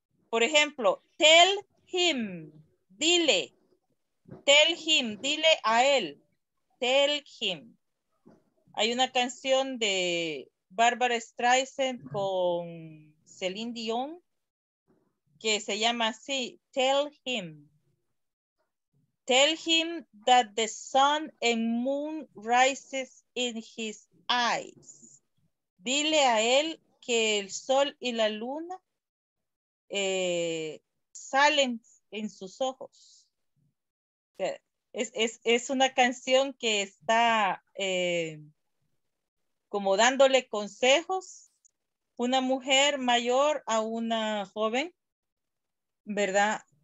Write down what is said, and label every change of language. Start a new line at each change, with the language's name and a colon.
Spanish: Por ejemplo,
English: tell him,
Spanish: dile.
English: Tell him,
Spanish: dile a él.
English: Tell him.
Spanish: Hay una canción de Barbara Streisand con Celine Dion que se llama así, tell him.
English: Tell him that the sun and moon rises in his eyes.
Spanish: Dile a él que el sol y la luna salen en sus ojos. Es una canción que está como dándole consejos una mujer mayor a una joven, ¿verdad?